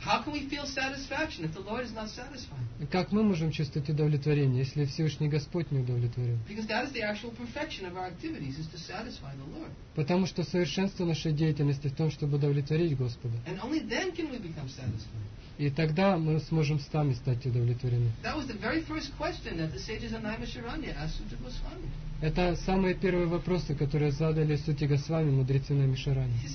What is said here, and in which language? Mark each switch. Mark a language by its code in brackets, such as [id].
[en] How can we feel satisfaction if the Lord is not satisfied? [ru] Как мы можем чувствовать удовлетворение, если Всевышний Господь не удовлетворен? [en] Because that is the actual perfection of our activities, is to satisfy the Lord. [ru] Потому что совершенство нашей деятельности в том, чтобы удовлетворить Господа. [en] And only then can we become satisfied. [ru] И тогда мы сможем сами стать удовлетворены. [en] That was the very first question that the sages of Naimisharanya asked Sutta Goswami. [ru] Это самые первые вопросы, которые задали Сути Госвами, мудрецы Наймишарани.